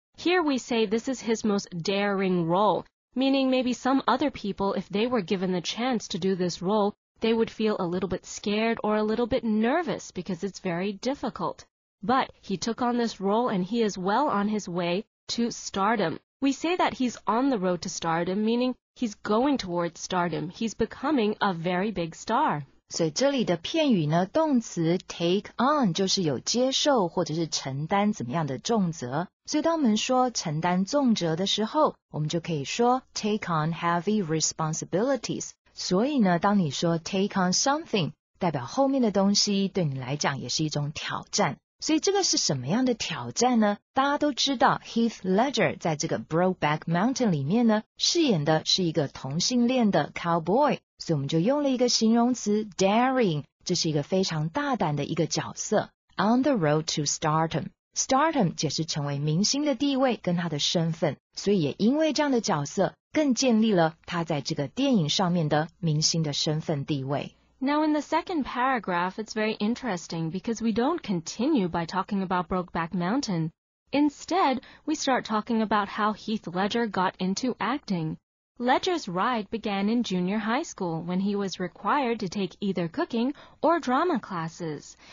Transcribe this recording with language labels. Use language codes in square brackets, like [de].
[en] Here we say this is his most daring role, meaning maybe some other people, if they were given the chance to do this role, they would feel a little bit scared or a little bit nervous because it's very difficult. But he took on this role and he is well on his way to stardom. We say that he's on the road to stardom, meaning he's going towards stardom. He's becoming a very big star. [zh] 所以这里的片语呢，动词 [en] take on [zh] 就是有接受或者是承担怎么样的重责。所以当我们说承担重责的时候，我们就可以说 [en] take on heavy responsibilities。 [zh] 所以呢，当你说 [en] take on something， [zh] 代表后面的东西对你来讲也是一种挑战。所以这个是什么样的挑战呢？大家都知道 Heath Ledger 在这个 Brokeback Mountain 里面呢，饰演的是一个同性恋的 cowboy。所以我们就用了一个形容词 daring， 这是一个非常大胆的一个角色。 [en] On the road to stardom， [zh] stardom 解释成为明星的地位跟他的身份，所以也因为这样的角色，更建立了他在这个电影上面的明星的身份地位。 [en] Now in the second paragraph, it's very interesting because we don't continue by talking about Brokeback Mountain. Instead, we start talking about how Heath Ledger got into acting. Ledger's ride began in junior high school when he was required to take either cooking or drama classes.